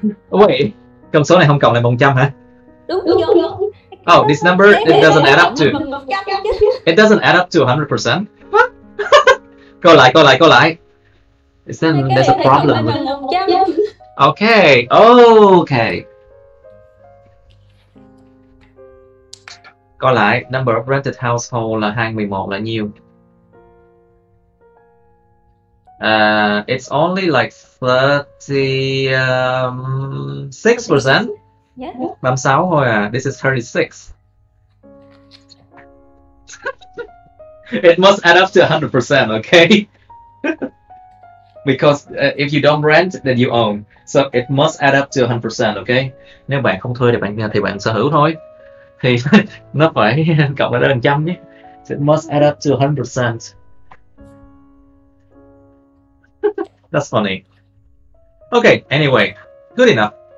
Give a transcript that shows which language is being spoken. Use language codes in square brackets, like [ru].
[vi] Wait, con số này không cộng lại 100 hả? Đúng. [en] Oh, this number, it doesn't add up to. It doesn't add up to 100%. Go lại. Then there's a problem. Okay. Go lại, number of rented household [vi] là 211 là nhiêu? [en] It's only like 36%. Yeah. [vi] 36 thôi à. [en] This is 36. It must add up to 100%, okay? Because if you don't rent, then you own. So it must add up to 100%, okay? [vi] Nếu bạn không thuê thì bạn sở hữu thôi. Thì nó phải cộng lại 100% nhé. [en] So it must add up to 100%. That's funny. Okay, anyway, good enough.